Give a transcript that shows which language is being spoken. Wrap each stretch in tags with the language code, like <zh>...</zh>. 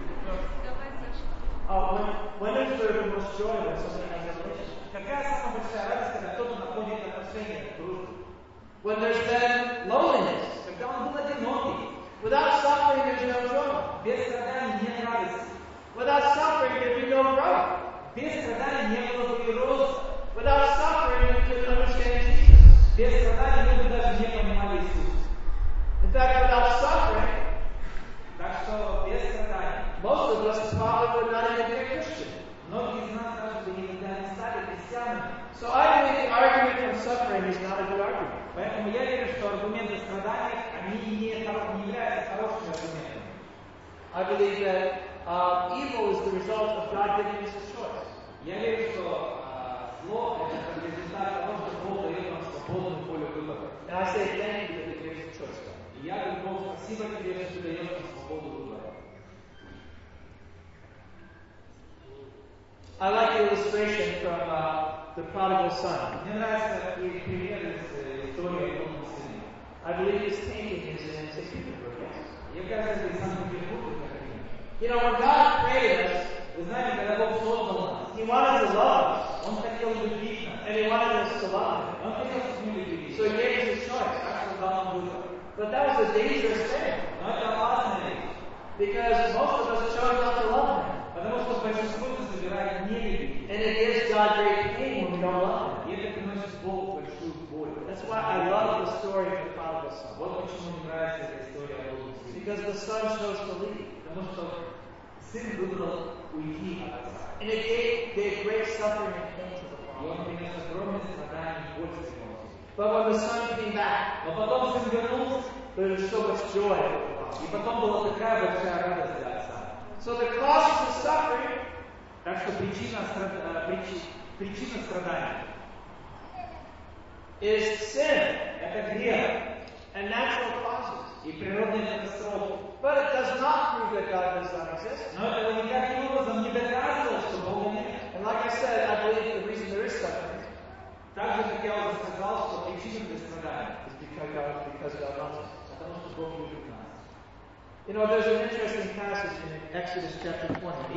<en>When is there the most joy when somebody has a relationship?</en> <ru>Какая самая большая радость, когда кто-то находит отношения в дружбе?</ru> <en>When there's been loneliness.</en> <ru>Когда он был одинокий.</ru> <en>Without suffering, there's no joy.</en> <ru>Без страдания нет радости.</ru> <en>Without suffering, there'd be no growth.</en> <ru>Без страдания не было бы роста.</ru> <en>Without suffering, we couldn't understand Jesus.</en> <ru>Без страдания мы бы даже не понимали Иисуса.</ru> <en>In fact, without suffering,</en> <ru>так что без страдания,</ru> <en>most of us probably would not even be a Christian.</en> <ru>Многие из нас даже бы никогда не стали христианами.</ru> <en>So I believe the argument of suffering is not a good argument.</en> <ru>Поэтому я верю, что аргументы страданий, они не являются хорошими аргументами.</ru> <en>I believe that evil is the result of God giving us a choice.</en> <ru>Я верю, что зло – это результат того, что Бог дает нам свободную волю выбора.</ru> <en>And I say thank you, that gives us a choice.</en> <ru>И я говорю, Бог, спасибо тебе, что ты даешь нам свободу выбора.</ru> <en>I like the illustration from the prodigal son.</en> <ru>Мне нравится пример из истории о том, что сын.</ru> <en>I believe his painting is in St. Petersburg.</en> <ru>Я кажется, что сам Петербург это пример.</ru> <en>You know, when God created us,</en> <ru>вы знаете, когда Бог создал нас,</ru> <en>He wanted to love us.</en> <ru>Он хотел любить нас.</ru> <en>And He wanted us to love Him.</en> <ru>Он хотел, чтобы мы любили.</ru> <en>So He gave us a choice.</en> <ru>Так что дал нам выбор.</ru> <en>But that was a dangerous thing.</en> <ru>Но это опасная вещь.</ru> <en>Because most of us chose not to love Him.</en> <ru>Потому что большинство из нас выбирает не любить.</ru> <en>And it gives God great pain when we don't love Him.</en> <ru>И это приносит Богу большую боль.</ru> <en>That's why I love the story of the prodigal son.</en> <ru>Вот почему мне нравится эта история о Боге.</ru> <en>Because the son chose to leave.</en> <ru>Потому что сын выбрал уйти от отца.</ru> <en>And it gave great suffering and pain to the father.</en> <ru>И он принес огромное страдание и боль своему отцу.</ru> <en>But when the son came back,</en> <ru>но потом сын вернулся,</ru> <en>there was so much joy.</en> <ru>И потом была такая большая радость для отца.</ru> <en>So the cause of suffering,</en> <ru>так что причина страдания,</ru> <en>is sin,</en> <ru>это грех,</ru> <en>and natural causes,</en> <ru>и природные катастрофы.</ru> <en>But it does not prove that God does not exist.</en> <ru>Но это никаким образом не доказывает, что Бога нет.</ru> <en>And like I said, I believe the reason there is suffering.</en> <ru>Так же, как я уже сказал, что причина для страдания,</ru> <en>is because God loves us.</en> <ru>Потому что Бог любит нас.</ru> <en>You know, there's an interesting passage in Exodus chapter 20.</en>